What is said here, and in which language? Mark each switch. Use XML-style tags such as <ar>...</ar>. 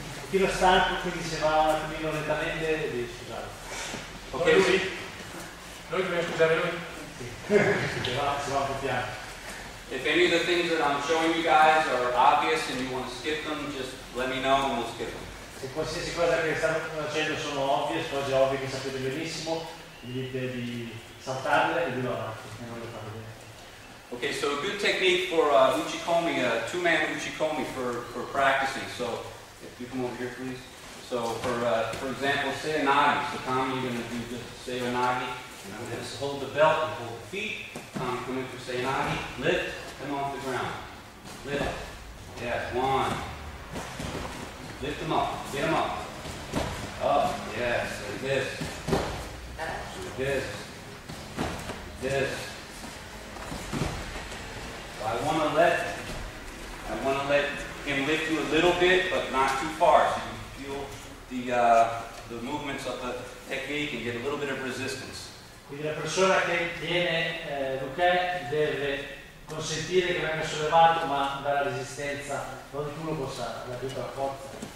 <it>tiro stanco, quindi se va un attimino lentamente devi scusare. Ok, lui? Sì. Noi dobbiamo scusare lui? Sì. Se va un po' piano.</it> <en>If any of the things that I'm showing you guys are obvious and you want to skip them, just let me know and we'll skip them.</en> <it>Se qualsiasi cosa che stanno facendo sono ovvie, cose ovvie che sapete benissimo, dite di saltarle e di lavorare, e non le fate bene.</it> <en>Ok, so a good technique for uchikomi, a two-man uchikomi for practicing. So, if you come over here, please. So, for example, say a nagi. So, Tom, you're going to do just say a nagi. And I'm going to hold the belt and hold the feet. Tom, come in for say a nagi. Lift them off the ground. Lift. Yes, one. Lift them up. Get them up. Up. Yes, like this. Like this. Like this. I want to let him lift you a little bit, but not too far, so you feel the movements of the technique and get a little bit of resistance.</en> <it>Quindi la persona che tiene Luque deve consentire che venga sollevato, ma dalla resistenza, non che uno possa dare tutta la forza.</it>